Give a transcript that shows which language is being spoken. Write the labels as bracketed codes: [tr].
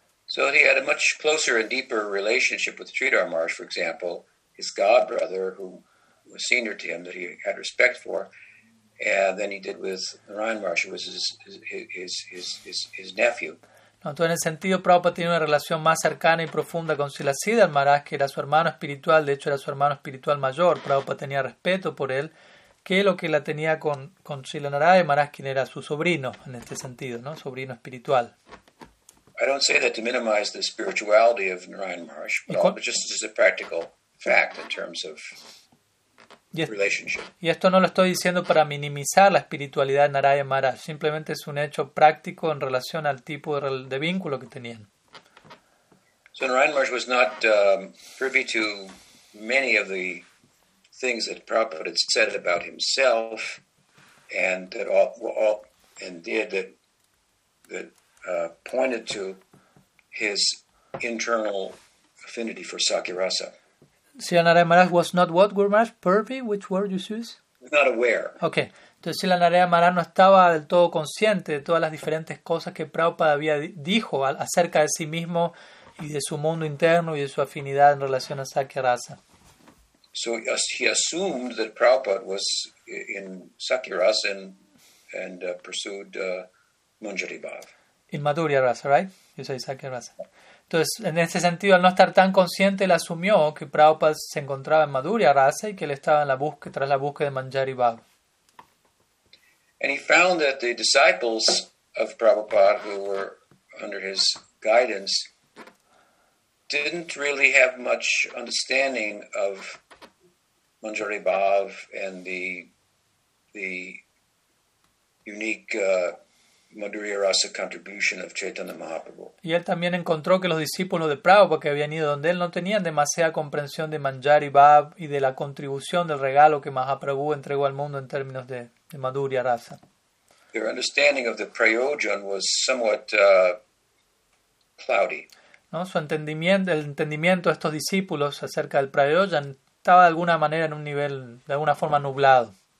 [en] So he had a much closer and deeper relationship with Sridhar Maharaj, for example, his godbrother, who was senior to him, that he had respect for, than he did with Narayan Maharaj, who was his nephew. [es] No, entonces, en el sentido, Prabhupada tenía una relación más cercana y profunda con Silasiddhar Maharaj, que era su hermano espiritual, de hecho era su hermano espiritual mayor, Prabhupada tenía respeto por él, que lo que la tenía con Srila Narayan Maharaj, quien era su sobrino, en este sentido, ¿no? Sobrino espiritual. [en] I don't say that to minimize the spirituality of Narayan Maharaj, but just as a practical fact in terms of relationship. [es] Y esto no lo estoy diciendo para minimizar la espiritualidad de Narayan Maharaj, simplemente es un hecho práctico en relación al tipo de vínculo que tenían. [en] So Narayan Maharaj was not privy to many of the things that Prabhupada said about himself and that pointed to his internal affinity for Sakyarasa. Srila Narayana Maharaj was not what, Guru Maharaj? Pervy? Which word you use? Not aware. Okay. [es] Entonces, Srila Narayana Maharaj no estaba del todo consciente de todas las diferentes cosas que Prabhupada había dijo acerca de sí mismo y de su mundo interno y de su afinidad en relación a Sakyarasa. [en] So he assumed that Prabhupada was in Sakyarasa and pursued Manjari Bhav. In Madhurya Rasa, right? You say Sakyarasa. [es] Entonces, en ese sentido, al no estar tan consciente, él asumió que Prabhupada se encontraba en Madhurya Rasa y que él estaba en la búsqueda, tras la búsqueda de Manjari Bhav. [en] And he found that the disciples of Prabhupada who were under his guidance didn't really have much understanding of Manjari Bhav and the unique Madhurya Rasa contribution of Chaitanya Mahaprabhu. [es] Y él también encontró que los discípulos de Prabhupada que habían ido donde él no tenían demasiada comprensión de Manjari Bhav y de la contribución del regalo que Mahaprabhu entregó al mundo en términos de Madhurya Rasa. [en] Their understanding of the Prayojan was somewhat cloudy. [es] ¿No? Su entendimiento, el entendimiento de estos discípulos acerca del Prayojan estaba de alguna manera en un nivel, de alguna forma nublado.